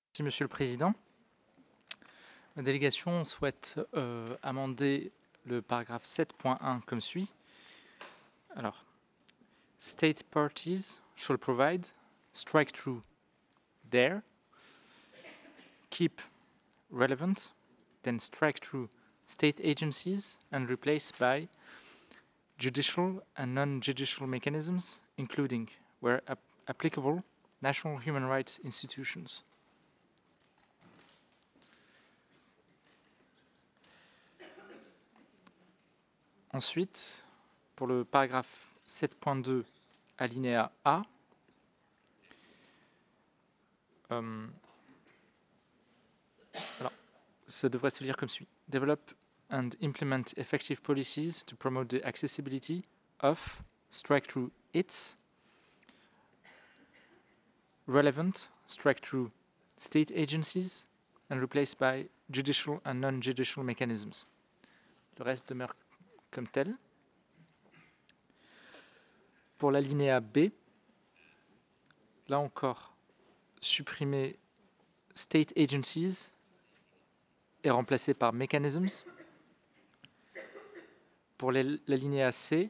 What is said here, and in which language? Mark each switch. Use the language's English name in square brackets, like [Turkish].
[French] Monsieur le Président, ma délégation souhaite amender le paragraphe 7.1 comme suit. Alors, [English] state parties shall provide strike through there, keep relevant, then strike through state agencies and replace by judicial and non-judicial mechanisms, including, where applicable, national human rights institutions. [French] Ensuite, pour le paragraphe 7.2, alinéa A, ça devrait se lire comme suit. [English] Develop and implement effective policies to promote the accessibility of, strike through its, relevant, strike through state agencies, and replace by judicial and non-judicial mechanisms. [French] Le reste demeure comme tel. Pour l'alinéa B, là encore, supprimer state agencies et remplacer par mechanisms. Pour l'alinéa C,